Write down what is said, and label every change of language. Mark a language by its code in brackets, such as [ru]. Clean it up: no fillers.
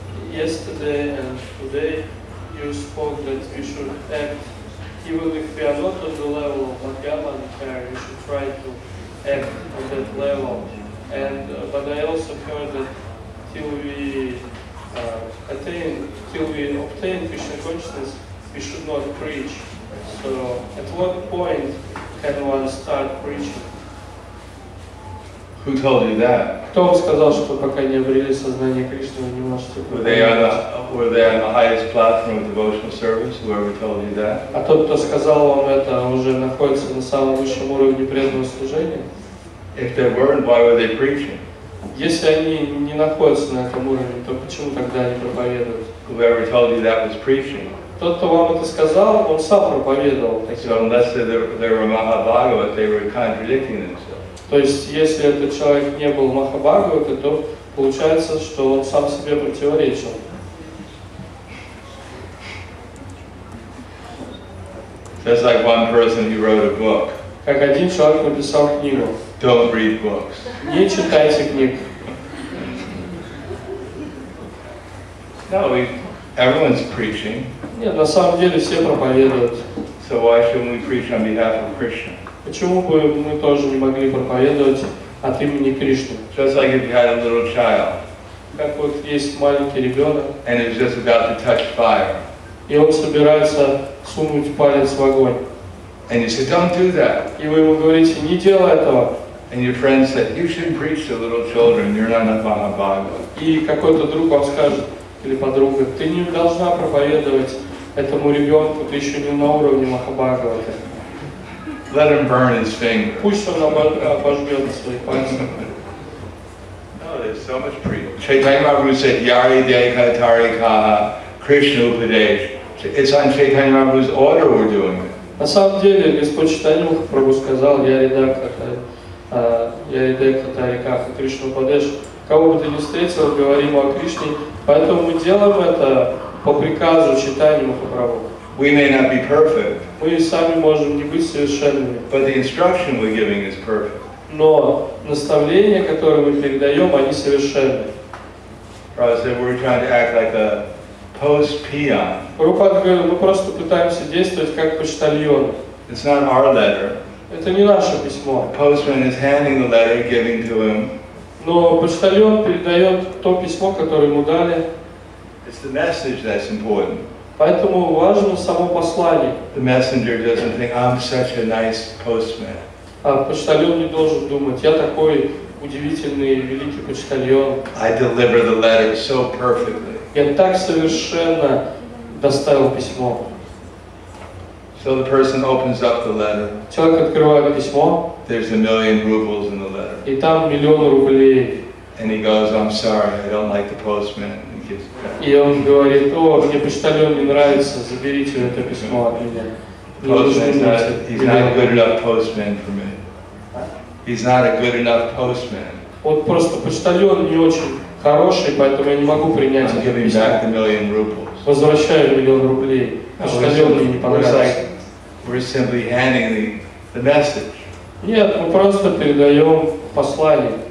[en] yesterday and today, you spoke that we should act, even if we are not on the level of Bhagavan prayer, we should try to act on that level. And but I also heard that till we attain, till we obtain Krishna consciousness, we should not preach. So at what point can one start preaching? Who told you that? [ru] Кто вам сказал, что пока не обрели сознание Кришны, вы не можете преподавать? [en] Were they on the highest platform of devotional service? Whoever told you that? [ru] А тот, кто сказал вам это, уже находится на самом высшем уровне преданного служения? [en] If they weren't, why were they preaching? [ru] Если они не находятся на этом уровне, то почему тогда они проповедуют? [en] Whoever told you that was preaching? [ru] Тот, кто вам это сказал, он сам проповедовал. [en] So unless they were Mahabhagavat, they were contradicting themselves. [ru] То есть, если этот человек не был Махабхагаватой, то получается, что он сам себе противоречил. [en] That's like one person who wrote a book. [ru] Как один человек написал книгу. [en] Don't read books. [ru] Не читайте книг. [en] No, everyone's preaching. [ru] Нет, на самом деле все проповедуют. [en] So why shouldn't we preach on behalf of Krishna? [ru] Почему бы мы тоже не могли проповедовать от имени Кришны? [en] Just like if you had a little child. [ru] Как вот есть маленький ребенок. [en] And he's just about to touch fire. [ru] И он собирается сунуть палец в огонь. [en] And you say, don't do that. [ru] И вы ему говорите, не делай этого. [en] And your friend said, you should preach to little children. You're not a Mahabhagava. [ru] И какой-то друг вам скажет, или подруга, ты не должна проповедовать этому ребенку, ты еще не на уровне Махабхагавы. [en] Let him burn his finger. [ru] Пусть он обожжет свои пальцы. [en] No, there's so much preaching. Chaitanya Mahaprabhu said, [bn] Yari Deka Tari Kaha, Krishna Upadesh. [en] It's on Chaitanya Mahaprabhu's order we're doing it. [ru] На самом деле, Господь Чайтанья Махапрабху сказал, [bn] Yari Deka Tari Kaha, Krishna Upadesh. [ru] Кого бы ты ни встретил, говорим о Кришне. Поэтому мы делаем это по приказу Чайтанья Махапрабху. [en] We may not be perfect. [ru] Мы сами можем не быть совершенными. [en] But the instruction we're giving is perfect. [ru] Но наставления, которые мы передаем, они совершенны. [en] Prabhupada said, we're trying to act like a post-peon. [ru] Прабхупада говорит, мы просто пытаемся действовать как почтальон. [en] It's not our letter. [ru] Это не наше письмо. [en] The postman is handing the letter, giving to him. [ru] Но почтальон передает то письмо, которое ему дали. [en] It's the message that's important. [ru] Поэтому важно само послание. [en] The messenger doesn't think, I'm such a nice postman. [ru] А почтальон не должен думать, я такой удивительный великий почтальон. [en] I deliver the letter so perfectly. [ru] Я так совершенно доставил письмо. [en] So the person opens up the letter. [ru] Человек открывает письмо. [en] There's a million rubles in the letter. [ru] И там миллион рублей. [en] And he goes, I'm sorry, I don't like the postman. [ru] И он говорит, о, мне почтальон не нравится, заберите это письмо от меня. [en] He's not a good enough postman for me. He's not a good enough postman. [ru] Вот просто почтальон не очень хороший, поэтому я не могу принять это письмо. [en] I'm giving back the million rubles. [ru] Возвращаю миллион рублей. Почтальон мне не понравился. [en] We're simply handing the message. [ru] Нет, мы просто передаем послание.